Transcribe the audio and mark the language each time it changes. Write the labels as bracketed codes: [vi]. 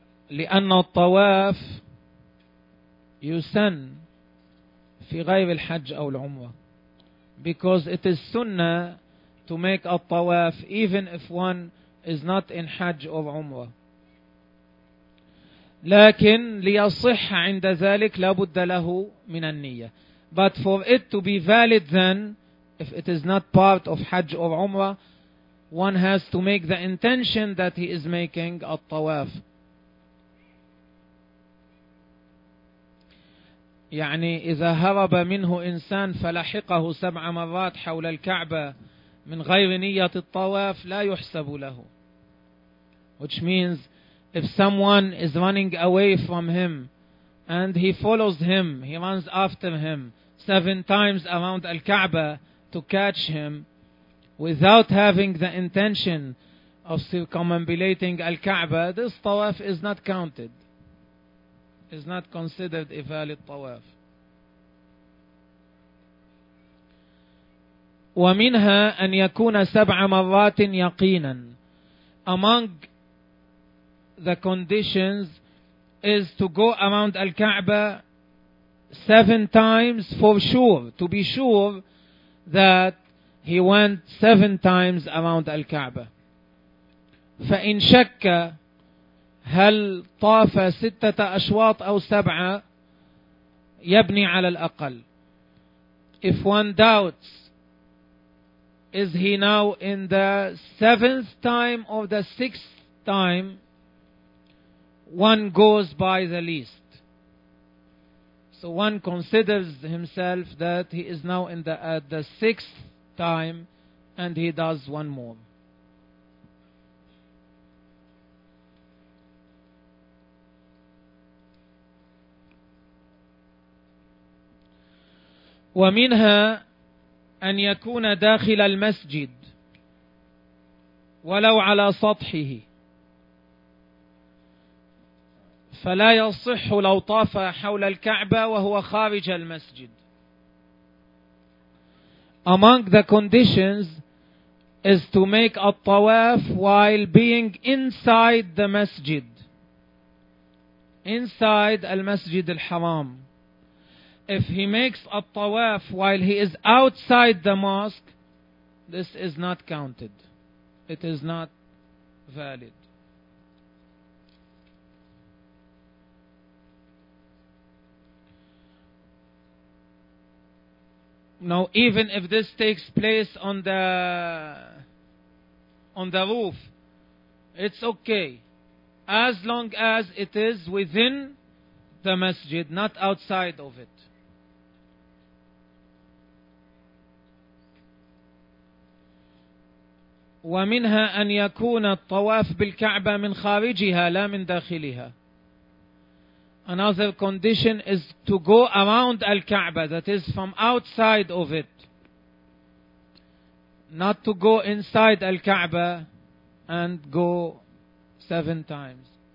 [ar] لأن الطواف يسن في غير الحج أو العمرة. [en] Because it is sunnah to make a tawaf even if one is not in Hajj or Umrah. [ar] لكن ليصح عند ذلك لابد له من النية. [en] But for it to be valid then, if it is not part of Hajj or Umrah, one has to make the intention that he is making a tawaf. [ar] يعني إذا هرب منه إنسان فلحقه سبع مرات حول الكعبة من غير نية الطواف لا يحسب له. [en] Which means if someone is running away from him and he follows him, he runs after him seven times around al-Kaaba to catch him without having the intention of circumambulating al-Kaaba, this tawaf is not counted. Is not considered a valid tawaf. [ar] ومنها أن يكون سبع مرات يقينا. [en] Among the conditions is to go around Al-Kaaba seven times for sure, to be sure that he went seven times around Al-Kaaba. [ar] فإن شك هل طاف ستة أشواط أو سبعة يبني على الأقل. [en] If one doubts, is he now in the seventh time or the sixth time, one goes by the least. So one considers himself that he is now in the sixth time and he does one more. [ar] ومنها أن يكون داخل المسجد ولو على سطحه فلا يصح لو طاف حول الكعبة وهو خارج المسجد. [en] Among the conditions is to make a tawaf while being inside the masjid, inside المسجد الحرام. If he makes a tawaf while he is outside the mosque, this is not counted. It is not valid. Now, even if this takes place on the roof, it's okay. As long as it is within the masjid, not outside of it. [ar] ومنها أن يكون الطواف بالكعبة من خارجها لا من داخلها. [en] Another condition is to go around al-Kaaba, that is from outside of it. Not to go inside al-Kaaba and go seven times.